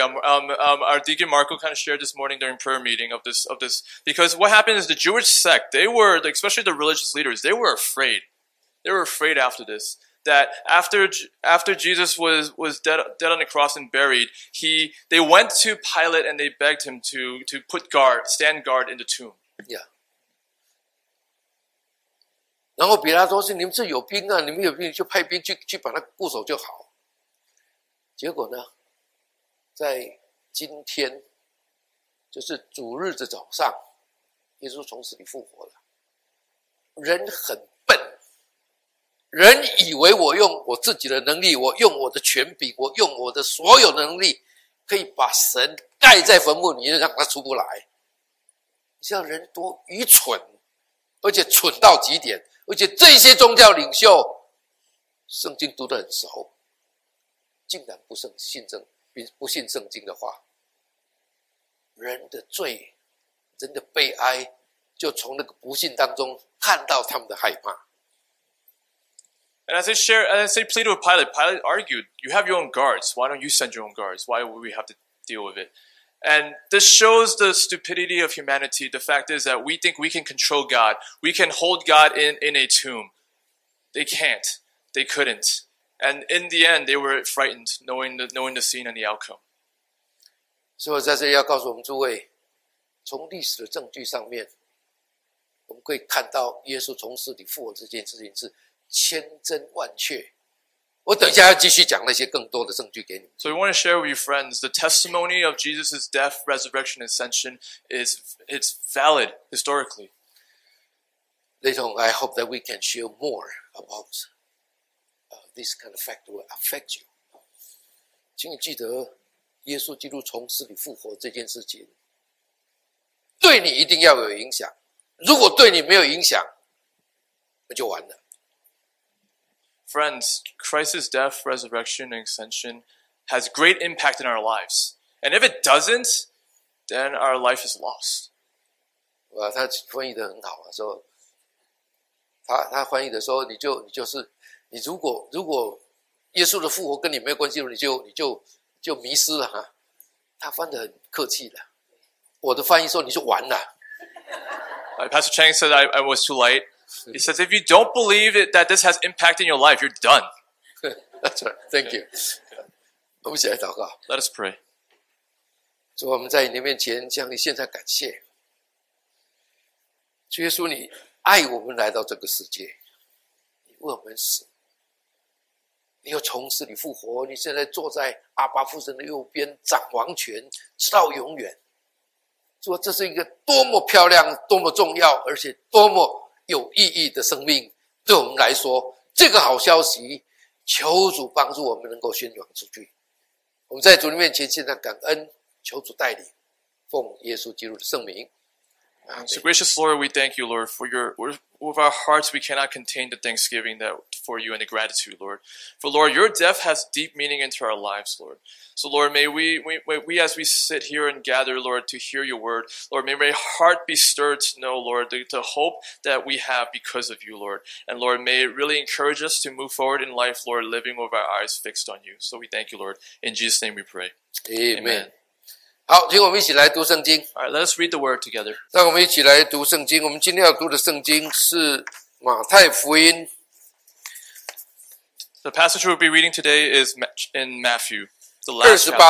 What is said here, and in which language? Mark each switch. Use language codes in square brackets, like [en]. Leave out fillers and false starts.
[en] Our deacon Marco kind of shared this morning during prayer meeting of this, because what happened is the Jewish sect, they were, especially the religious leaders, they were afraid. They were afraid after this. That after Jesus was dead on the cross and buried, they went to Pilate and they begged him to put guard, stand guard in the tomb. Yeah. [zh] 然后比拉多说：“你们这有兵啊，你们有兵就派兵去把他固守就好。” 结果呢，在今天，就是主日的早上，耶稣从死里复活了。人很笨。人以为我用我自己的能力，我用我的权柄，我用我的所有能力，可以把神盖在坟墓里，让他出不来。你知道人多愚蠢，而且蠢到极点。而且这些宗教领袖，圣经读得很熟，竟然不信圣经的话，人的罪，人的悲哀，就从那个不信当中看到他们的害怕。 [en] And as they pleaded with Pilate, Pilate argued, you have your own guards. Why don't you send your own guards? Why would we have to deal with it? And this shows the stupidity of humanity. The fact is that we think we can control God. We can hold God in a tomb. They can't. They couldn't. And in the end, they were frightened knowing the scene and the outcome. So I'm here to tell you, from the historical evidence, [zh] 我们可以看到耶稣从死里复活这件事情是千真万确。我等一下要继续讲那些更多的证据给你们。 [en] So we want to share with you, friends, the testimony of Jesus' death, resurrection, and ascension is valid historically. Later on, I hope that we can share more about this kind of fact will affect you. [zh] 请你记得耶稣基督从死里复活这件事情对你一定要有影响。如果对你没有影响，那就完了。 [en] Friends, Christ's death, resurrection, and ascension has great impact in our lives. And if it doesn't, then our life is lost. [zh] 哇，他翻译的很好啊，说他翻译的说，你就是你如果耶稣的复活跟你没有关系，你就迷失了哈。他翻得很客气的，我的翻译说你就完了。 [en] Pastor Chang said I was too light. He says, if you don't believe it, that this has impact in your life, you're done. That's right. Thank you. [zh] 我们一起来祷告。 [en] Let us pray. [zh] 主，我们在你面前向你献上感谢。主耶稣，你爱我们来到这个世界，你为我们死，你又从死里复活，你现在坐在阿爸父神的右边，掌王权，直到永远。主，这是一个多么漂亮、多么重要，而且多么有意义的生命，对我们来说，这个好消息，求主帮助我们能够宣扬出去。我们在主的面前献上感恩，求主带领，奉耶稣基督的圣名。 [en] So gracious Lord, we thank you, Lord, for your with our hearts we cannot contain the thanksgiving that for you and the gratitude, Lord. For Lord, your death has deep meaning into our lives, Lord. So Lord, may we as we sit here and gather, Lord, to hear your word, Lord, may my heart be stirred to know, Lord, the hope that we have because of you, Lord. And Lord, may it really encourage us to move forward in life, Lord, living with our eyes fixed on you. So we thank you, Lord. In Jesus' name we pray. Amen. Amen. [zh] 好，请我们一起来读圣经。 [en] All right, let us read the word together. [zh] 让我们一起来读圣经。我们今天要读的圣经是马太福音。 [en] The passage we'll be reading today is in Matthew, the last chapter.